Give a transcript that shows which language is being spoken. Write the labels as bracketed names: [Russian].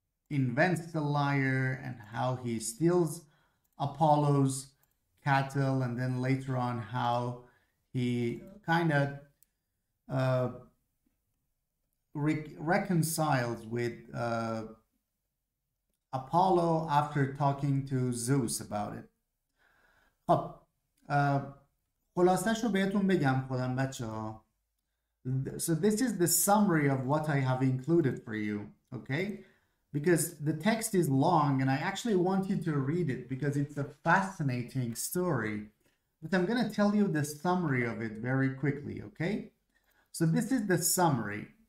[English] invents the lyre and how he steals Apollo's cattle, and then later on, how he kind of reconciles with Apollo after talking to Zeus about it. [Persian] خب خلاصه شو بهتون بگم خودم بچه ها. [English] So this is the summary of what I have included for you, okay? Because the text is long and I actually want you to read it because it's a fascinating story. But I'm going to tell you the summary of it very quickly, okay? So this is the summary.